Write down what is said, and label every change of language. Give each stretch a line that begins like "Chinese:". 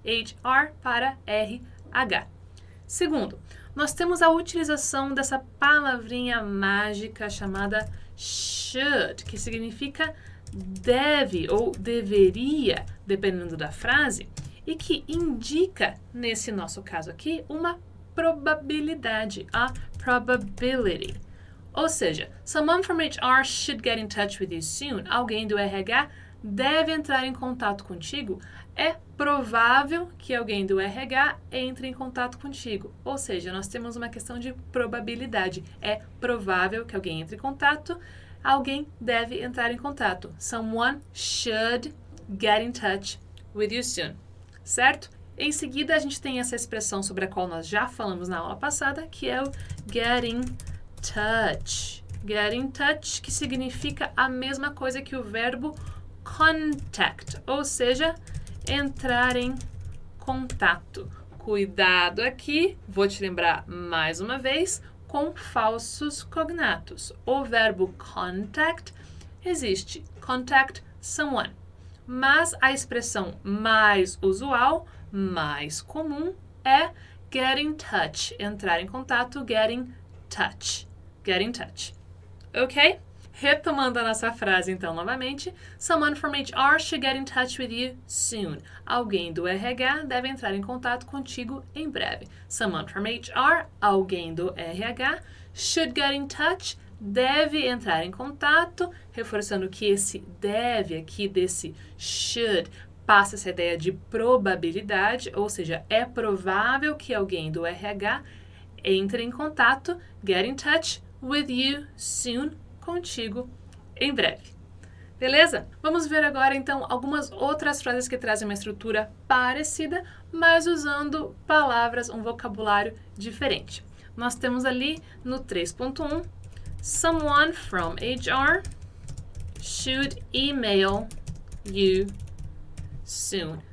Portuguese: HR para RH. Segundo, nós temos a utilização dessa palavrinha mágica chamada should, que significa deve ou deveria, dependendo da frase. E que indica, nesse nosso caso aqui, uma probabilidade,
English: a probability.
Portuguese: Ou seja,
English: someone from HR should get in touch with you soon.
Portuguese: Alguém do RH deve entrar em contato contigo. É provável que alguém do RH entre em contato contigo. Ou seja, nós temos uma questão de probabilidade. É provável que alguém entre em contato. Alguém deve entrar em contato.
English: Someone should get in touch with you soon.
Portuguese: Certo? Em seguida, a gente tem essa expressão sobre a qual nós já falamos na aula passada, que é o get in touch.
English: Get in touch,
Portuguese: que significa a mesma coisa que o verbo contact, ou seja, entrar em contato. Cuidado aqui, vou te lembrar mais uma vez, com falsos cognatos. O verbo contact existe.
English: Contact someone.
Portuguese: Mas a expressão mais usual, mais comum, é
English: get in touch,
Portuguese: entrar em contato, get in touch, ok? Retomando a nossa frase então novamente,
English: someone from HR should get in touch with you soon.
Portuguese: Alguém do RH deve entrar em contato contigo em breve.
English: Someone from HR,
Portuguese: alguém do RH,
English: should get in touch.
Portuguese: Deve entrar em contato, reforçando que esse deve aqui desse should passa essa ideia de probabilidade, ou seja, é provável que alguém do RH entre em contato,
English: get in touch with you soon,
Portuguese: contigo em breve. Beleza? Vamos ver agora, então, algumas outras frases que trazem uma estrutura parecida, mas usando palavras, um vocabulário diferente. Nós temos ali no 3.1,
English: someone from HR should email you soon.